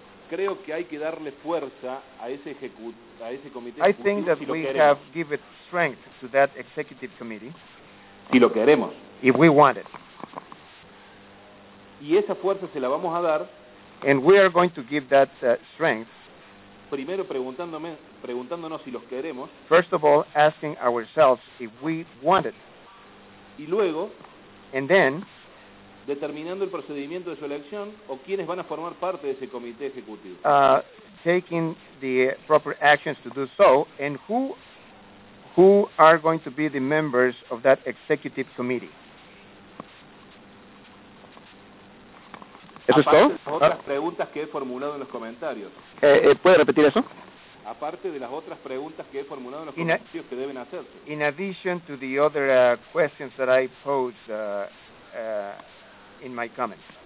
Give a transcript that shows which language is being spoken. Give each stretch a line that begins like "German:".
Spanish: Creo que hay que darle fuerza a ese ese comité.
English: I think that
Spanish: si
English: we have given strength to that executive committee.
Spanish: Si lo queremos.
English: If we want it.
Spanish: Y esa fuerza se la vamos a dar.
English: And we are going to give that strength.
Spanish: Primero preguntándonos si los queremos.
English: First of all, asking ourselves if we want it.
Spanish: Y luego,
English: and then,
Spanish: determinando el procedimiento de su elección o quienes van a formar parte de ese comité ejecutivo.
English: Taking the proper actions to do so, and who are going to be the members of that executive committee.
Spanish: ¿Eso es todo? Otras preguntas que he formulado en los comentarios. ¿Puede repetir eso? Aparte de las otras preguntas que he formulado en los comentarios que deben hacerse.
English: In addition to the other questions that I pose in my comments.